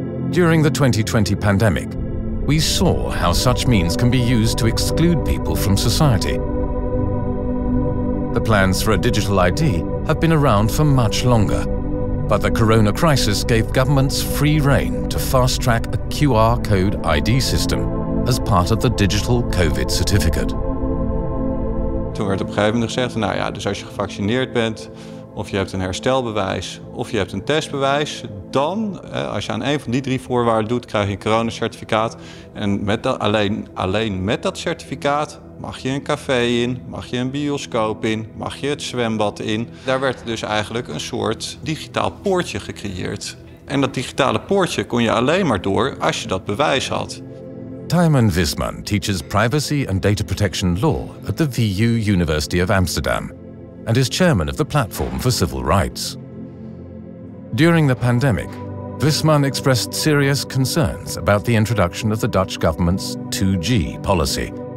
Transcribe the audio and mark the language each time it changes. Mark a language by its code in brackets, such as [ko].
[en] During the 2020 pandemic, we saw how such means can be used to exclude people from society. The plans for a digital ID have been around for much longer, but the corona crisis gave governments free rein to fast-track a QR code ID system as part of the digital COVID certificate. [nl] Toen werd op een gegeven moment gezegd, nou ja, dus als je gevaccineerd bent, of je hebt een herstelbewijs, of je hebt een testbewijs, dan, als je aan een van die drie voorwaarden doet, krijg je een coronacertificaat. En alleen met dat certificaat mag je een café in, mag je een bioscoop in, mag je het zwembad in. Daar werd dus eigenlijk een soort digitaal poortje gecreëerd. En dat digitale poortje kon je alleen maar door als je dat bewijs had. [en] Tijmen Wisman teaches privacy and data protection law at the VU University of Amsterdam and is chairman of the Platform for Civil Rights. During the pandemic, Wisman expressed serious concerns about the introduction of the Dutch government's 2G policy.